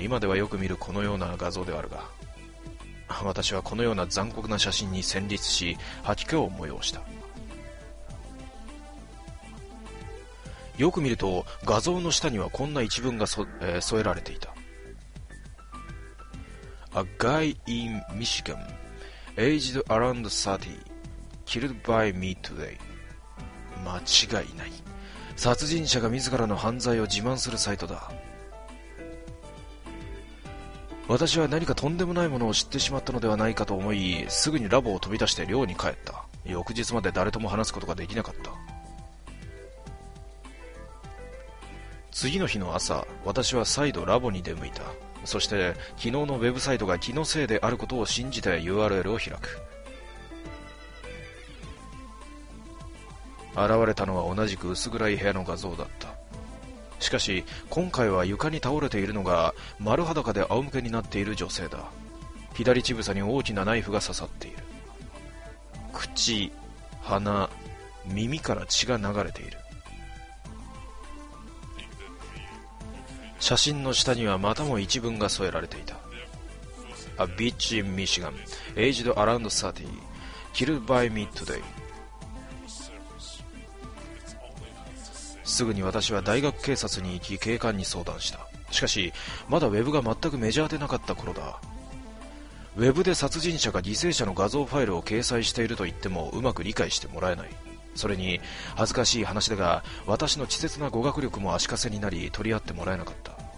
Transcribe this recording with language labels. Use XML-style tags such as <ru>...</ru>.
<ja>今ではよく見るこのような画像ではあるが、私はこのような残酷な写真に戦慄し、吐き気を催した。よく見ると画像の下にはこんな一文が添えられていた。</ja> <en>A guy in Michigan aged around 30 killed by me today。</en> <ja>間違いない、殺人者が自らの犯罪を自慢するサイトだ。私は何かとんでもないものを知ってしまったのではないかと思い、すぐにラボを飛び出して寮に帰った。翌日まで誰とも話すことができなかった。次の日の朝、私は再度ラボに出向いた。そして昨日のウェブサイトが気のせいであることを信じて URL を開く。現れたのは同じく薄暗い部屋の画像だった。しかし今回は床に倒れているのが丸裸で仰向けになっている女性だ。左乳房に大きなナイフが刺さっている。口、鼻、耳から血が流れている。写真の下にはまたも一文が添えられていた。</ja> <en>A bitch in Michigan aged around 30 killed by me today。</en> <ja>すぐに私は大学警察に行き、警官に相談した。しかしまだウェブが全くメジャーでなかった頃だ。ウェブで殺人者が犠牲者の画像ファイルを掲載していると言ってもうまく理解してもらえない。それに恥ずかしい話だが、私の稚拙な語学力も足かせになり、取り合ってもらえなかった。</ja>